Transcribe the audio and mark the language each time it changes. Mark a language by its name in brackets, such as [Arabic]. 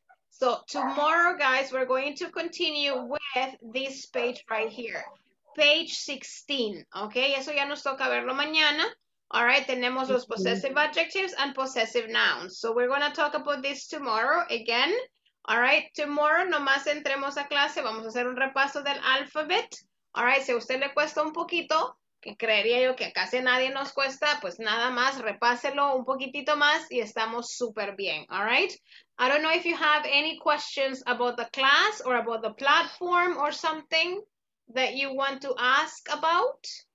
[English] So tomorrow, guys, we're going to continue with this page right here. Page 16. Okay. [Spanish] Eso ya nos toca verlo mañana. [English] All right. [Spanish] Tenemos los [English] possessive adjectives and possessive nouns. So we're going to talk about this tomorrow again. All right, tomorrow, [Spanish] nomás entremos a clase, vamos a hacer un repaso del alphabet. [English] All right, [Spanish] si a usted le cuesta un poquito, que creería yo que casi nadie nos cuesta, pues nada más, repáselo un poquitito más y estamos súper bien. [English] All right, I don't know if you have any questions about the class or about the platform or something that you want to ask about.